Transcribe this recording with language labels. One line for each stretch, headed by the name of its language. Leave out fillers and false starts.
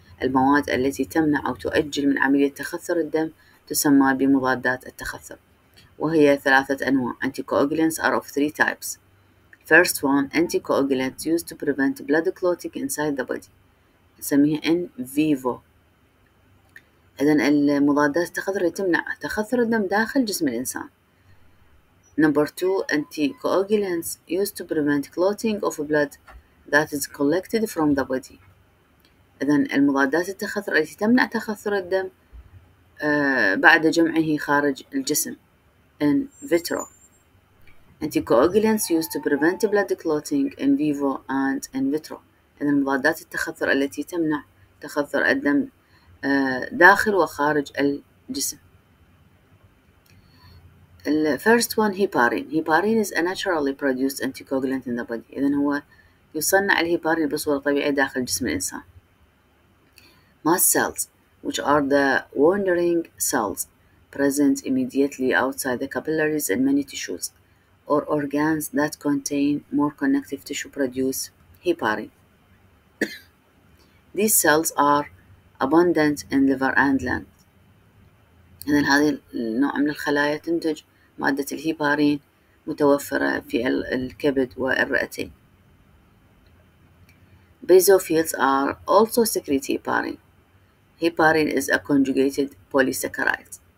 Arabic: المواد التي تمنع أو تؤجل من عملية تخثر الدم تسمى بمضادات التخثر، وهي ثلاثة أنواع.
English: Anticoagulants are of three types. First one, anticoagulants used to prevent blood clotting inside the body.
Arabic: نسميها in vivo. إذن المضادات التخثر تمنع تخثر الدم داخل جسم الإنسان.
English: Number two, anticoagulants used to prevent clotting of blood that is collected from the body.
Arabic: إذن المضادات التخثر التي تمنع تخثر الدم بعد جمعه خارج الجسم in vitro.
English: Anticoagulants used to prevent blood clotting in vivo and in vitro.
Arabic: إذن المضادات التخثر التي تمنع تخثر الدم داخل وخارج الجسم.
English: The first one, heparin. Heparin is a naturally produced anticoagulant in the body.
Arabic: إذن هو يصنع الهيبارين بصورة طبيعية داخل جسم الإنسان.
English: Mast cells, which are the wandering cells present immediately outside the capillaries in many tissues or organs that contain more connective tissue, produce heparin. These cells are abundant in liver and lung.
Arabic: إذن هذه النوع من الخلايا تنتج مادة الهيبارين، متوفرة في الكبد والرئتين.
English: Basophils are also secrete heparin. Heparin is a conjugated polysaccharide.